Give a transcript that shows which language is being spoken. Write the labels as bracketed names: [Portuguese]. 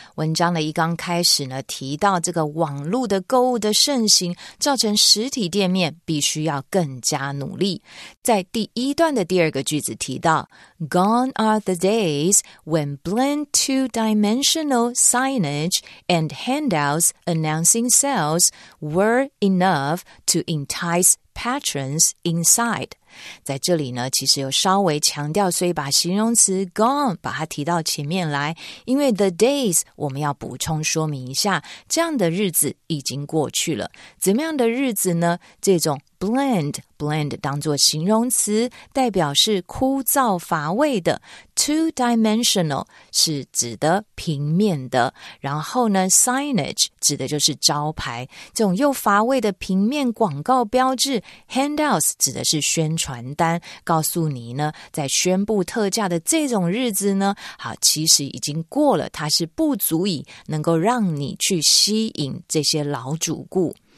[Chinese] 文章的一刚开始呢，提到这个网络的购物的盛行，造成实体店面必须要更加努力。在第一段的第二个句子提到 [English] ，Gone are the days when blend two-dimensional signage and handouts announcing sales were enough to entice patrons inside. [Chinese] 在这里呢，其实有稍微强调，所以把形容词 gone 把它提到前面来，因为 the days 我们要补充说明一下，这样的日子已经过去了。怎么样的日子呢？这种 blend 当作形容词，代表是枯燥乏味的 ；two-dimensional 是指的平面的，然后呢 signage 指的就是招牌，这种又乏味的平面广告标志 ；handouts 指的是宣传单告诉你呢，在宣布特价的这种日子呢，好，其实已经过了，它是不足以能够让你去吸引这些老主顾。